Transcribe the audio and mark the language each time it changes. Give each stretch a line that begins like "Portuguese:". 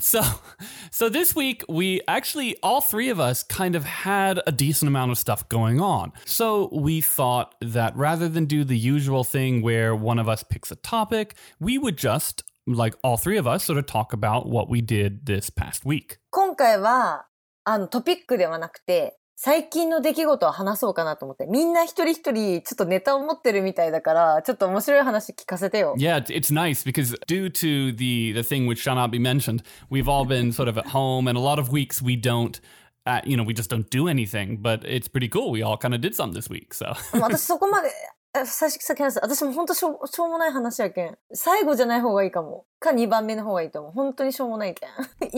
English: So this week, we actually, all three of us kind of had a decent amount of stuff going on. So we thought that rather than do the usual thing where one of us picks a topic, we would just, like all three of us, sort of talk about what we did this past week.
Japanese: 今回は、トピックではなくて、最近の出来事を話そうかなと思って。みんな一人一人ちょっとネタを持ってるみたいだから、ちょっと面白い話聞かせてよ。
English: Yeah, it's nice because due to the thing which shall not be mentioned, we've all been sort of at home and a lot of weeks we don't, you know, we just don't do anything. But it's pretty cool. We all kind of did something this week, so.
Japanese: 私そこまで、私も本当しょうもない話やけん。最後じゃない方がいいかも。か2番目の方がいいと思う。本当にしょうもないけん。